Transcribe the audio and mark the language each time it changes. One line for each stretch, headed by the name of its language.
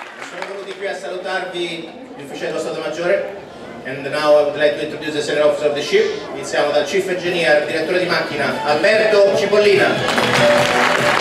Italian: Sono venuti qui a salutarvi gli ufficiali dello Stato Maggiore.
English: And now I would like to introduce the senior officer of the ship.
Italian: Iniziamo dal chief engineer, direttore di macchina, Alberto Cipollina.